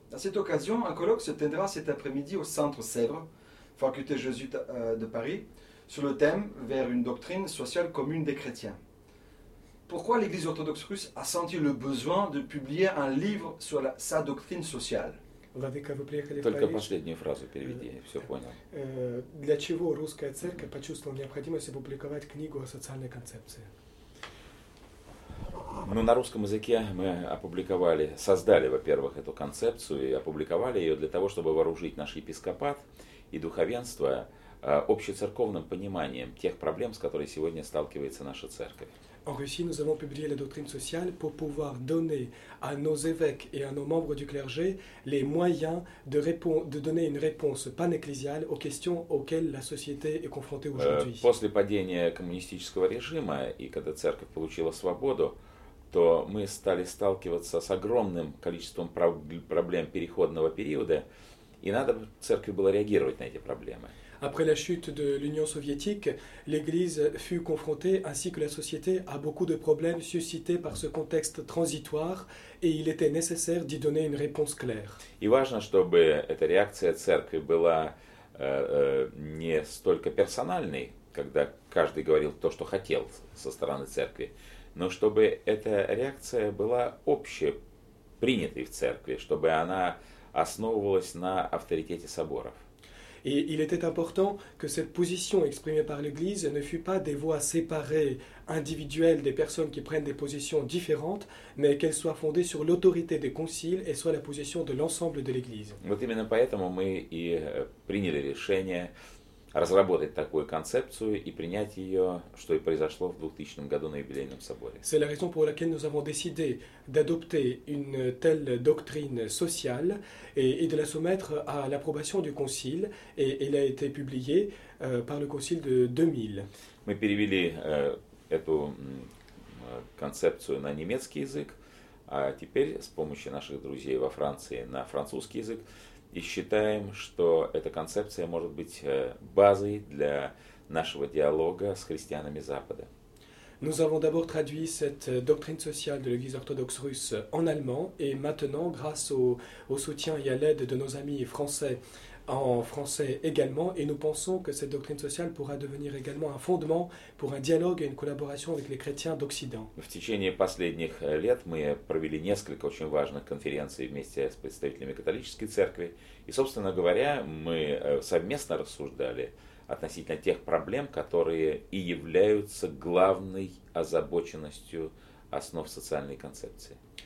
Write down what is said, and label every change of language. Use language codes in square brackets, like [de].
[fr] À cette occasion, un colloque se tiendra cet après-midi au Centre Sèvres, faculté jésuite de Paris, sur le thème « Vers une doctrine sociale commune des chrétiens ». Pourquoi l'Église orthodoxe russe a senti le besoin de publier un livre sur sa doctrine sociale? [ru] Владыка, вы приехали Только в Париж. Последнюю фразу переведи, и все понял. Для чего русская церковь почувствовала необходимость опубликовать книгу о социальной концепции? Ну, на русском языке мы опубликовали, создали, во-первых, эту концепцию и опубликовали ее для того, чтобы вооружить наш епископат и духовенство общецерковным пониманием тех проблем, с которыми сегодня сталкивается наша церковь. [fr] En Russie, nous avons publié la doctrine sociale pour pouvoir donner à nos évêques et à nos membres du clergé les moyens de donner une réponse panecclésiale aux questions auxquelles la société est confrontée aujourd'hui. [ru] После падения коммунистического режима и когда церковь получила свободу, то мы стали сталкиваться с огромным количеством проблем переходного периода, и надо церкви было реагировать на эти проблемы. [fr] Après la chute de l'Union soviétique, l'Église fut confrontée, ainsi que la société, à beaucoup de problèmes suscités par ce contexte transitoire, et il était nécessaire d'y donner une réponse claire. [ru] Et важно, чтобы эта реакция церкви была не столько персональной, когда каждый говорил то, что хотел со стороны церкви, но чтобы эта реакция была общепринятой в церкви, чтобы она основывалась на авторитете соборов. [fr] Et il était important que cette position exprimée par l'Église ne fût pas des voix séparées, individuelles des personnes qui prennent des positions différentes, mais qu'elle soit fondée sur l'autorité des conciles et soit la position de l'ensemble de l'Église. [ru] Вот именно поэтому мы и приняли решение разработать такую концепцию и принять ее, что и произошло в 2000 году на юбилейном соборе. [fr] C'est la raison pour laquelle nous avons décidé d'adopter une telle doctrine sociale et de la soumettre à l'approbation du concile, et elle a été publiée par le concile de 2000. [ru] Мы перевели эту концепцию на немецкий язык, а теперь с помощью наших друзей во Франции на французский язык. И считаем, что эта концепция может быть базой для нашего диалога с христианами Запада. [fr] Nous avons d'abord traduit cette doctrine sociale de l'Église orthodoxe russe en allemand, et maintenant, grâce au soutien et à l'aide de nos amis français, en français également, et nous pensons que cette doctrine sociale pourra devenir également un fondement pour un dialogue et une collaboration avec les chrétiens d'Occident. [ru] В течение последних лет мы провели несколько очень важных конференций вместе с представителями католической церкви, и, собственно говоря, мы совместно рассуждали относительно тех проблем, которые и являются главной озабоченностью основ социальной концепции.